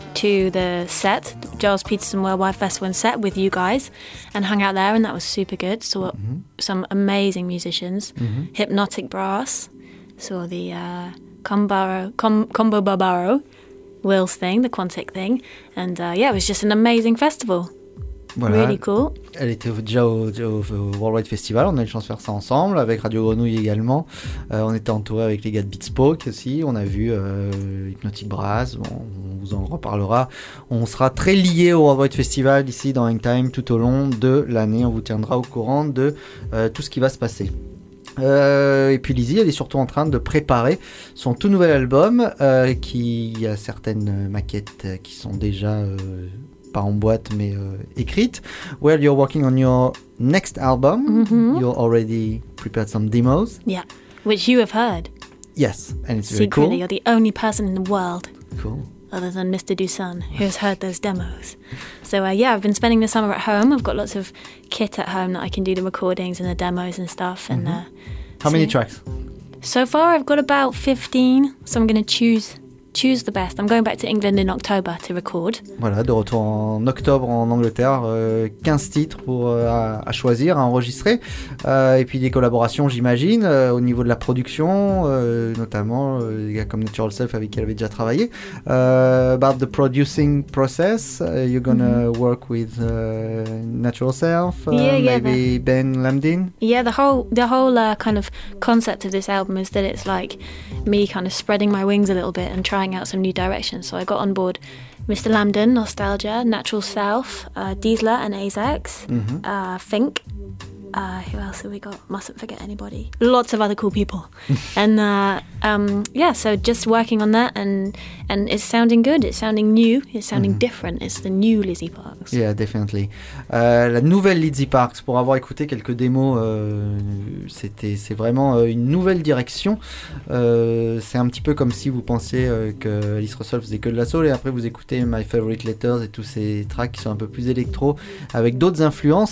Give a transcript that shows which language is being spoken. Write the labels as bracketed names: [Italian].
[English] to the set, Giles Peterson Worldwide Festival and set with you guys, and hung out there, and that was super good. Saw some amazing musicians, Hypnotic Brass, saw the Combo Barbaro, Will's thing, the Quantic thing, and yeah, it was just an amazing festival. [French] Voilà. [English] Really cool. [French] Elle était déjà au Worldwide Festival, on a eu la chance de faire ça ensemble, avec Radio Grenouille également. On était entouré avec les gars de Beatspoke aussi, on a vu Hypnotic Brass, bon, on vous en reparlera. On sera très lié au Worldwide Festival ici dans Hangtime tout au long de l'année, on vous tiendra au courant de tout ce qui va se passer. Et puis Lizzie, elle est surtout en train de préparer son tout nouvel album, qui a certaines maquettes qui sont déjà... pas en boîte, mais écrite. [English] Well, you're working on your next album. Mm-hmm. You already prepared some demos. Yeah, which you have heard. Yes, and it's secretly You're the only person in the world. Cool. Other than Mr. Dusan, who's heard those demos. So yeah, I've been spending the summer at home. I've got lots of kit at home that I can do the recordings and the demos and stuff. And How many tracks? So far, I've got about 15. So I'm going to choose the best. I'm going back to England in October to record. [French] Voilà, de retour en octobre en Angleterre, 15 titres pour à choisir, à enregistrer, et puis des collaborations, j'imagine, au niveau de la production, notamment des gars comme Natural Self avec qui elle avait déjà travaillé. [English] About the producing process, you're gonna work with Natural Self, Ben Lamdin. Yeah, the whole kind of concept of this album is that it's like me kind of spreading my wings a little bit and trying out some new directions. So I got on board Mr. Lamdin, Nostalgia, Natural Self, Diesler and Azex, Fink. Who else have we got? Mustn't forget anybody. Lots of other cool people. And so just working on that, and it's sounding good. It's sounding new. It's sounding different. It's the new Lizzie Parks. Yeah, definitely. [French] La nouvelle Lizzie Parks, pour avoir écouté quelques démos, c'est vraiment une nouvelle direction. C'est un petit peu comme si vous pensiez que Alice Russell faisait que de la soul, et après vous écoutez My Favorite Letters et tous ces tracks qui sont un peu plus électro avec d'autres influences.